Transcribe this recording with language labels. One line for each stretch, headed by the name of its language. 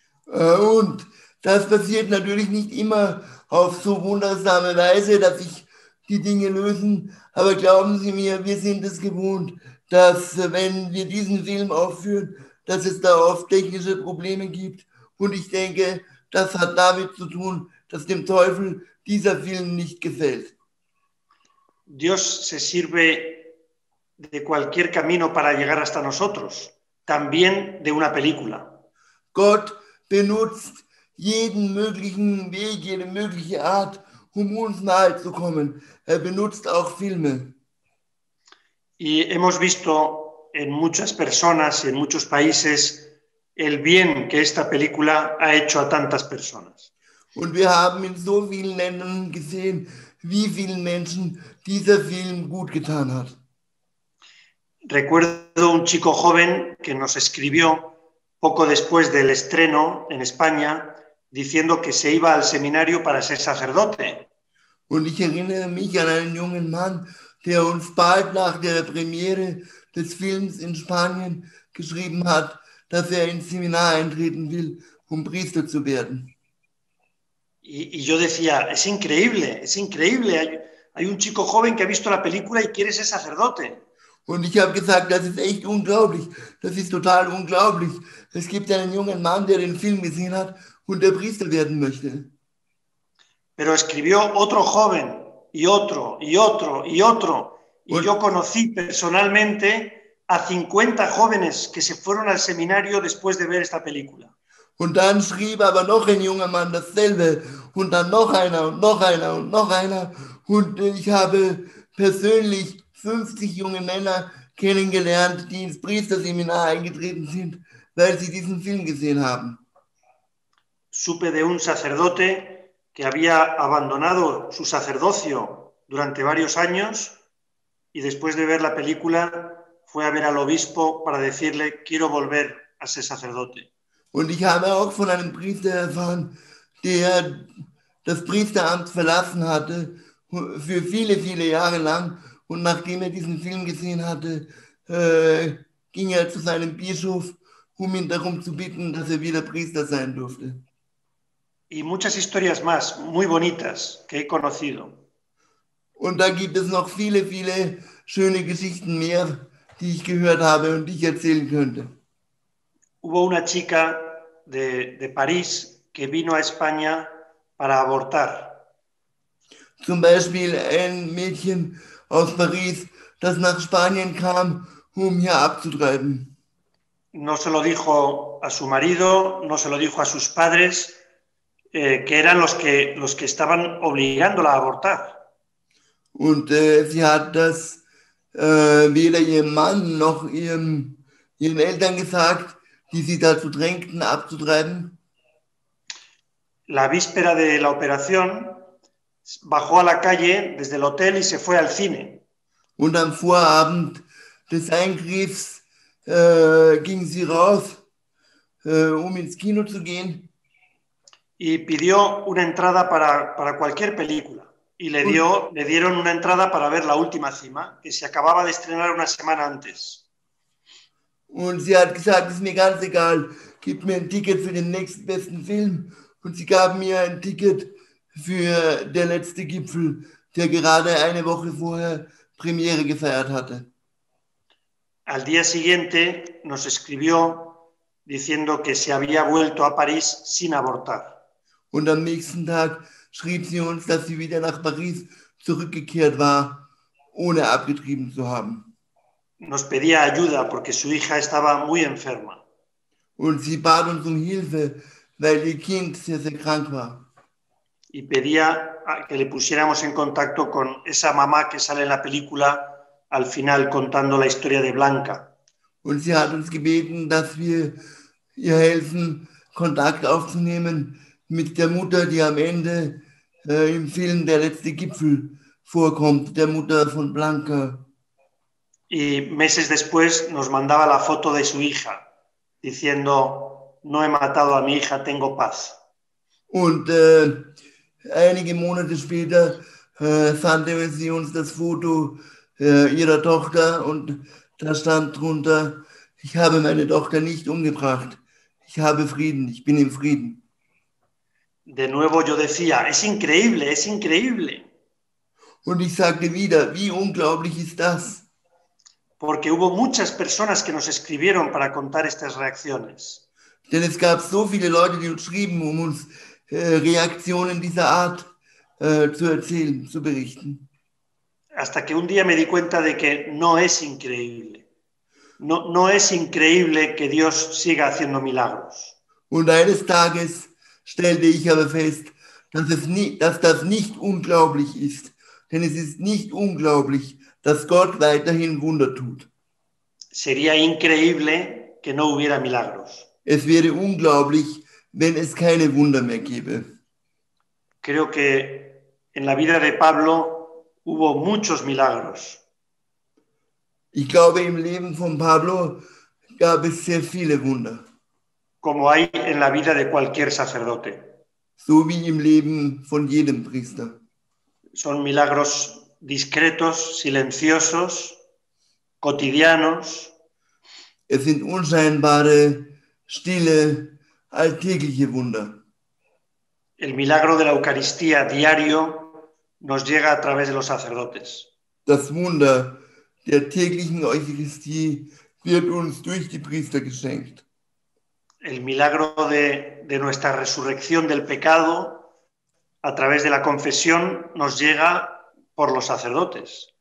German: Und das passiert natürlich nicht immer auf so wundersame Weise, dass sich die Dinge lösen. Aber glauben Sie mir, wir sind es gewohnt, dass wenn wir diesen Film aufführen, dass es da oft technische Probleme gibt. Und ich denke, das hat damit zu tun, dass dem Teufel dieser Film nicht gefällt.
Spanish: Dios se sirve de cualquier camino para llegar hasta nosotros, también de una película.
German: Gott benutzt jeden möglichen Weg, jede mögliche Art, uns nahe zu kommen. Benutzt auch Filme.
Spanish: Y hemos visto en muchas personas y en muchos países el bien que esta película ha hecho a tantas personas.
German: Und wir haben in so vielen Ländern gesehen, wie vielen Menschen dieser Film gut getan hat.
Spanish: Recuerdo un chico joven que nos escribió poco después del estreno en España diciendo que se iba al seminario para ser sacerdote.
German: Und ich erinnere mich an einen jungen Mann, der uns bald nach der Premiere des Films in Spanien geschrieben hat, dass er ins Seminar eintreten will, Priester zu werden.
Spanish: Y yo decía, es increíble, hay un chico joven que ha visto la película y quiere ser sacerdote.
German: Und ich habe gesagt, das ist echt unglaublich, das ist total unglaublich. Es gibt einen jungen Mann, der den Film gesehen hat und der Priester werden möchte.
Spanish: Pero escribió otro joven y otro y otro y otro. Und yo conocí personalmente a 50 jóvenes que se fueron al seminario después de ver esta película.
German: Und dann schrieb aber noch ein junger Mann dasselbe und dann noch einer und noch einer und noch einer. Und ich habe persönlich 50 junge Männer kennengelernt, die ins Priesterseminar eingetreten sind, weil sie diesen Film gesehen haben.
Spanish: Supe de un sacerdote que había abandonado su sacerdocio durante varios años y después de ver la película fue a ver al obispo para decirle quiero volver a ser sacerdote.
German: Und ich habe auch von einem Priester erfahren, der das Priesteramt verlassen hatte für viele, viele Jahre lang. Und nachdem er diesen Film gesehen hatte, ging er zu seinem Bischof, um ihn darum zu bitten, dass er wieder Priester sein durfte.
Spanish: Y muchas historias más, muy bonitas, que he conocido.
German: Und da gibt es noch viele, viele schöne Geschichten mehr, die ich gehört habe und die ich erzählen könnte.
Spanish: Hubo una chica de París que vino a España para abortar.
German: Zum Beispiel ein Mädchen aus Paris, das nach Spanien kam, hier abzutreiben.
Spanish: No se lo dijo a su marido, no se lo dijo a sus padres, que eran los que estaban obligándola a abortar.
German: Und sie hat das weder ihrem Mann noch ihren Eltern gesagt, die sie dazu drängten, abzutreiben.
Spanish: La víspera de la operación bajó a la calle desde el hotel y se fue al cine.
German: Und am Vorabend des Eingriffs ging sie raus, ins Kino zu gehen.
Spanish: Y pidió una entrada para cualquier película. Y le dieron una entrada para ver La última cima, que se acababa de estrenar una semana antes.
German: Und sie hat gesagt, es ist mir ganz egal, gib mir ein Ticket für den nächsten besten Film. Und sie gab mir ein Ticket für Der letzte Gipfel, der gerade eine Woche vorher Premiere gefeiert hatte.
Spanish: Al día siguiente nos escribió diciendo que se había vuelto a París sin abortar.
German: Und am nächsten Tag schrieb sie uns, dass sie wieder nach Paris zurückgekehrt war, ohne abgetrieben zu haben.
Spanish: Nos pedía ayuda porque su hija estaba muy enferma.
German: Und sie bat uns Hilfe, weil ihr Kind sehr, sehr krank war.
Spanish: Y pedía que le pusiéramos en contacto con esa mamá que sale en la película al final contando la historia de Blanca.
German: Und sie hat uns gebeten, dass wir ihr helfen, Kontakt aufzunehmen mit der Mutter, die am Ende im Film Der letzte Gipfel vorkommt, der Mutter von Blanca.
Spanish: Y meses después nos mandaba la foto de su hija, diciendo, no he matado a mi hija, tengo paz.
German: Und einige Monate später sandte sie uns das Foto ihrer Tochter und da stand drunter, ich habe meine Tochter nicht umgebracht. Ich habe Frieden, ich bin im Frieden.
Spanish: De nuevo yo decía, es increíble, es increíble.
German: Und ich sagte wieder, wie unglaublich ist das?
Spanish: Porque hubo muchas personas que nos escribieron para contar estas reacciones.
German: Denn es gab so viele Leute, die uns schrieben, um uns Reaktionen dieser Art zu erzählen, zu berichten.
Spanish: Hasta que un día me di cuenta de que no es increíble. No es increíble que Dios siga haciendo milagros.
German: Und eines Tages stellte ich aber fest, dass es nie, dass das nicht unglaublich ist. Denn es ist nicht unglaublich, dass Gott weiterhin Wunder tut.
Spanish: Sería increíble que no hubiera milagros.
German: Es wäre unglaublich, wenn es keine Wunder mehr gäbe.
Spanish: Creo que en la vida de Pablo hubo muchos milagros.
German: Ich glaube, im Leben von Pablo gab es sehr viele Wunder.
Spanish: Como hay en la vida de cualquier sacerdote.
German: So wie im Leben von jedem Priester.
Spanish: Son milagros discretos, silenciosos, cotidianos.
German: Es sind unscheinbare, stille, alltägliche Wunder.
Spanish: El milagro de la Eucaristía diario nos llega a través de los sacerdotes.
German: Das Wunder der täglichen Eucharistie wird uns durch die Priester geschenkt.
Spanish: El milagro de nuestra resurrección del pecado a través de la confesión nos llega por los sacerdotes.